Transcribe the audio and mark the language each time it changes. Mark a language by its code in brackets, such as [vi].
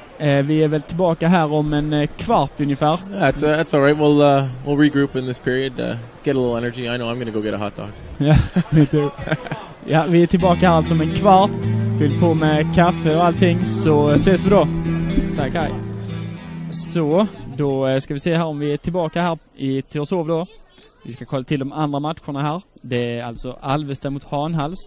[sv] Vi är väl tillbaka här om en kvart ungefär. [en] That's all right. We'll regroup in this period. Get a little energy. I know I'm going to go get a hot dog. [sv] Ja, vi är tillbaka här alltså om en kvart. Fyll på med kaffe och allting. Så ses vi då. Tack, hej. Så, då ska vi se här om vi är tillbaka här i Tyresov då. Vi ska kolla till de andra matcherna här. Det är alltså Alvesta mot Hanhals.